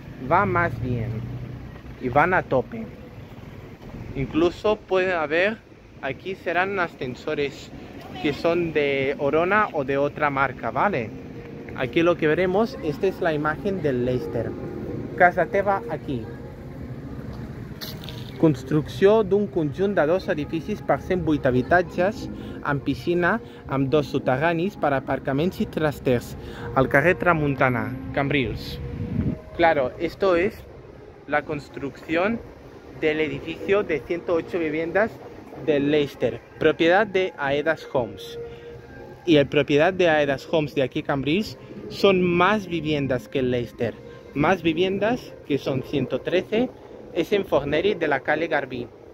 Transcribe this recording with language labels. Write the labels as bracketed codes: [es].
[es] Va más bien y van a tope. Incluso puede haber, aquí serán ascensores que son de Orona o de otra marca, ¿vale? Aquí lo que veremos, esta es la imagen del Leicester. [ca] Casa teva aquí. Construcció d'un conjunt de dos edificis per 108 habitatges, amb piscina, amb dos soterranis per aparcaments i trasters, al carrer Tramuntana, Cambrils. [es] Claro, esto es la construcción del edificio de 108 viviendas del Leicester, propiedad de Aedas Homes. Y el propiedad de Aedas Homes de aquí, Cambrils, son más viviendas que el Leicester. Más viviendas, que son 113, es en Forneri de la calle Garbí.